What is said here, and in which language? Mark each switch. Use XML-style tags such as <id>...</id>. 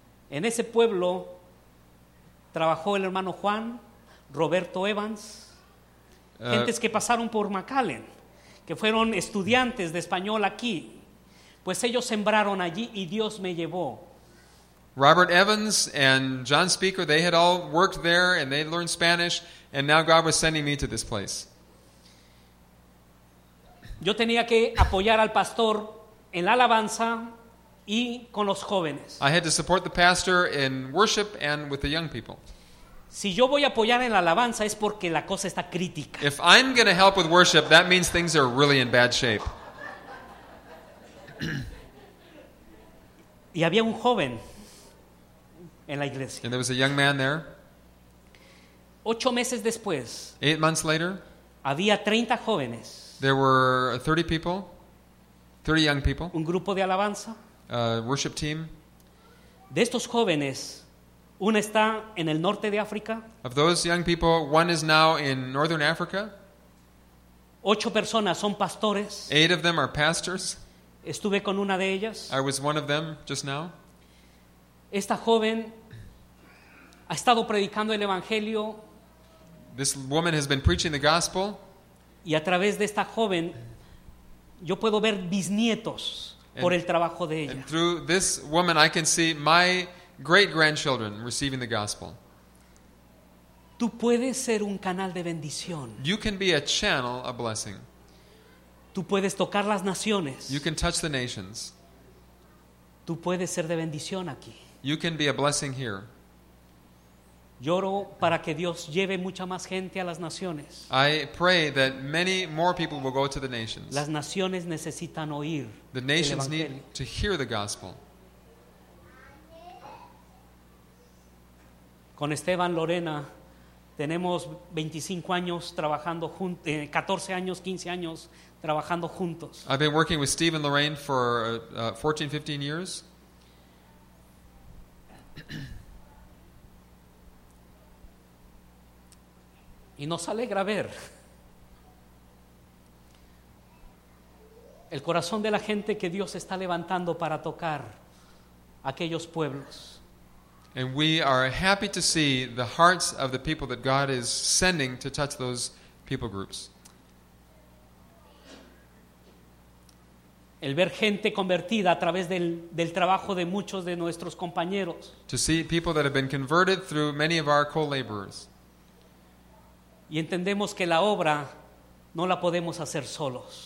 <es>En ese pueblo trabajó el hermano Juan, Roberto Evans, gentes que pasaron por McAllen. Que fueron estudiantes de español aquí, pues ellos sembraron allí y Dios me llevó.</es> <en>Robert Evans and John Speaker, they had all worked there and they learned Spanish, and now God was sending me to this place.</en> <es>Yo tenía que apoyar al pastor en la alabanza y con los jóvenes.</es> <en>I had to support the pastor in worship and with the young people.</en> <es>Si yo voy a apoyar en la alabanza es porque la cosa está crítica.</es> <en>If I'm going to help with worship, that means things are really in bad shape.</en> <es>Y había un joven en la iglesia.</es> <en>And there was a young man there.</en> <es>8 meses después.</es> <en>8 months later.</en> <es>Había 30 jóvenes.</es> <en>There were 30 people. 30 young people.</en> <es>Un grupo de alabanza.</es> <en>A worship team.</en> <es>De estos jóvenes, una está en el norte de África.</es> <en>Of those young people, one is now in northern Africa.</en> <es>8 personas son pastores.</es> <en>8 of them are pastors.</en> <es>Estuve con una de ellas.</es> <en>I was one of them just now.</en> <es>Esta joven ha estado predicando el evangelio.</es> <en>This woman has been preaching the gospel.</en> <es>Y a través de esta joven, yo puedo ver bisnietos por el trabajo de ella.</es> <en>And through this woman, I can see my great-grandchildren receiving the gospel.</en> <es>Tú puedes ser un canal de bendición.</es> <en>You can be a channel of blessing.</en> <es>Tú puedes tocar las naciones.</es> <en>You can touch the nations.</en> <es>Tú puedes ser de bendición aquí.</es> <en>You can be a blessing here.</en> <es>Lloro para que Dios lleve mucha más gente a las naciones.</es> <en>I pray that many more people will go to the nations.</en> <es>Las naciones necesitan oír.</es> <en>The nations need to hear the gospel.</en> <es>Con Esteban Lorena tenemos 25 años trabajando juntos, 14 años, 15 años trabajando juntos.</es> <en>I've been working with Steve and Lorraine for 14, 15 years.</en> <es>Y nos alegra ver el corazón de la gente que Dios está levantando para tocar aquellos pueblos.</es> <en>And we are happy to see the hearts of the people that God is sending to touch those people groups.</en> <es>El ver gente convertida a través del trabajo de muchos de nuestros compañeros.</es> <en>To see people that have been converted through many of our co-laborers.</en> <es>Y entendemos que la obra no la podemos hacer solos.</es>